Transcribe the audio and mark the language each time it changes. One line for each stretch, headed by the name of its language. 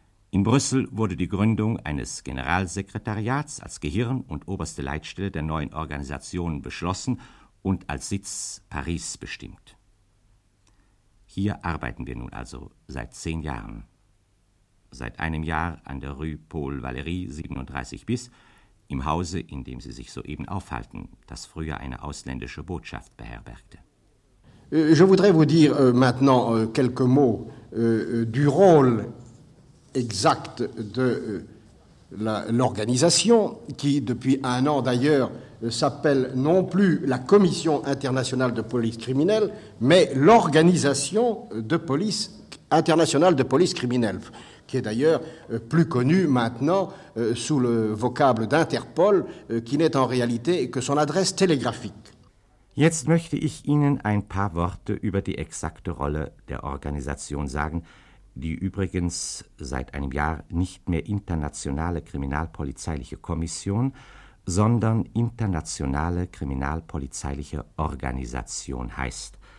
German: In Brüssel wurde die Gründung eines Generalsekretariats als Gehirn und oberste Leitstelle der neuen Organisation beschlossen und als Sitz Paris bestimmt. Hier arbeiten wir nun also seit 10 Jahren. Seit einem Jahr an der Rue Paul Valéry 37 bis im Hause, in dem Sie sich soeben aufhalten, das früher eine ausländische Botschaft beherbergte.
French: Je voudrais vous dire maintenant quelques mots du rôle exact de l'organisation qui depuis un an d'ailleurs s'appelle non plus la Commission internationale de police criminelle mais l'Organisation de police internationale de police criminelle qui est d'ailleurs plus connue maintenant sous le vocable d'Interpol qui n'est en réalité que son adresse télégraphique.
German: Jetzt möchte ich Ihnen ein paar Worte über die exakte Rolle der Organisation sagen, die übrigens seit einem Jahr nicht mehr internationale kriminalpolizeiliche Kommission, sondern internationale kriminalpolizeiliche Organisation heißt.